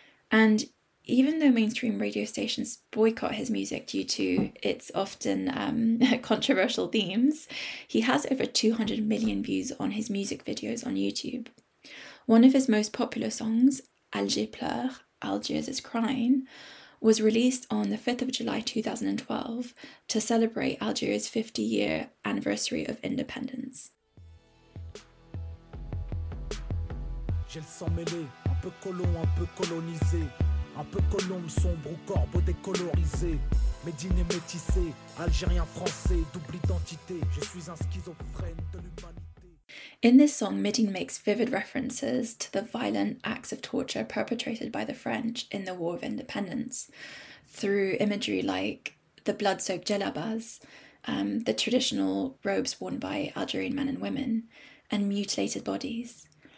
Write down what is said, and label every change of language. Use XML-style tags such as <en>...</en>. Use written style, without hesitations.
<en>And even though mainstream radio stations boycott his music due to its often controversial themes, he has over 200 million views on his music videos on YouTube. One of his most popular songs, Alger Pleure, Algiers is Crying, was released on the 5th of July 2012 to celebrate Algeria's 50-year anniversary of independence.</en> <fr>J'ai le sang mêlé, un peu colonisé, un peu colombe sombre ou corbeau décolorisé. Médine est métissé, Algérien français, double identité, je suis un schizophrène de l'humanité.</fr> <en>In this song, Medine makes vivid references to the violent acts of torture perpetrated by the French in the War of Independence through imagery like the blood-soaked djellabas, the traditional robes worn by Algerian men and women, and mutilated bodies.</en>